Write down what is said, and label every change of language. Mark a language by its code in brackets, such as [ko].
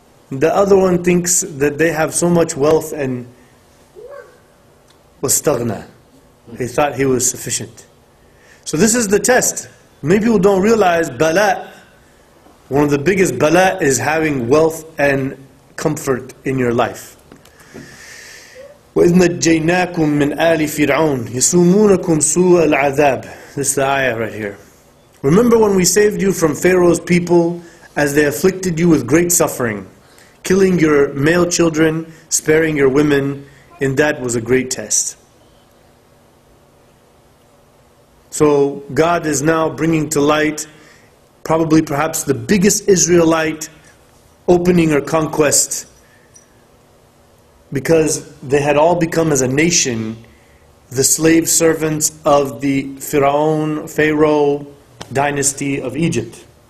[en] The other one thinks that they have so much wealth and wastaghna. He thought he was sufficient. So this is the test. Many people don't realize bala, one of the biggest bala is having wealth and comfort in your life. [ar] وَإِذْ نَجَّيْنَاكُمْ مِنْ آلِ فِرْعَوْنَ يَسُومُونَكُمْ سُوءَ الْعَذَابِ. [en] This is the ayah right here. Remember when we saved you from Pharaoh's people as they afflicted you with great suffering, killing your male children, sparing your women, and that was a great test. So God is now bringing to light probably perhaps the biggest Israelite opening or conquest, because they had all become as a nation the slave servants of the Pharaoh dynasty of Egypt.